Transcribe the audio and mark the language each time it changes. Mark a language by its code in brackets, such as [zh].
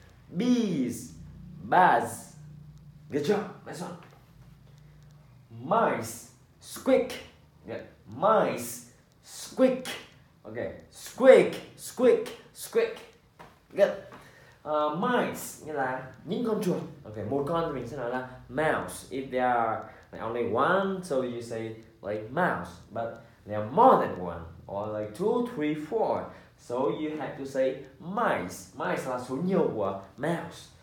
[en] Bees, buzz. Good job. Next one. Mice, squeak. Good. Mice, squeak. Okay, squeak, squeak, squeak. Good. [vi] Mice nghĩa là những con chuột. Okay, một con thì mình sẽ nói là mouse. [en] If there are like only one, so you say like mouse. But there are more than one, or like 2, 3, 4. So you have to say mice. [vi] Mice là số nhiều của mouse.